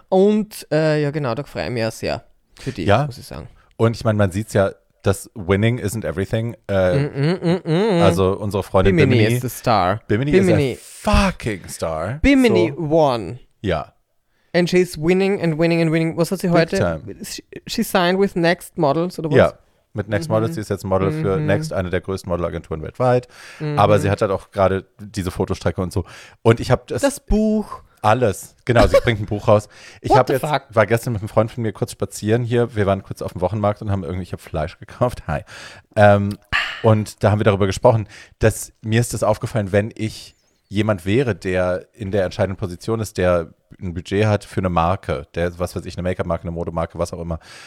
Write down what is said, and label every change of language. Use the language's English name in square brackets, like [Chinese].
[German] Und ja, genau, da freue ich mich ja sehr für die, muss ich sagen. Und ich meine, man sieht es ja, dass [English] winning isn't everything. [German] Also unsere Freundin Bimini [English] ist the star. Bimini [German] ist [English] a fucking star. Bimini so. Won. [German] Ja. [English] And she's winning and winning and winning. [German] Was hat sie [English] Big [German] heute? [English] Time. She signed with Next Models [German] oder was? Ja, mit Next Models. Sie ist jetzt Model für Next, eine der größten Modelagenturen weltweit. Aber sie hat halt auch gerade diese Fotostrecke und so. Und ich habe das Buch. Alles. Genau, sie bringt ein Buch raus. Ich habe jetzt fuck? War gestern mit einem Freund von mir kurz spazieren hier. Wir waren kurz auf dem Wochenmarkt und haben irgendwie Fleisch gekauft. Hi. Und da haben wir darüber gesprochen, dass mir ist das aufgefallen, wenn ich jemand wäre, der in der entscheidenden Position ist, der ein Budget hat für eine Marke, der, was weiß ich, eine Make-up-Marke, eine Modemarke, was auch immer.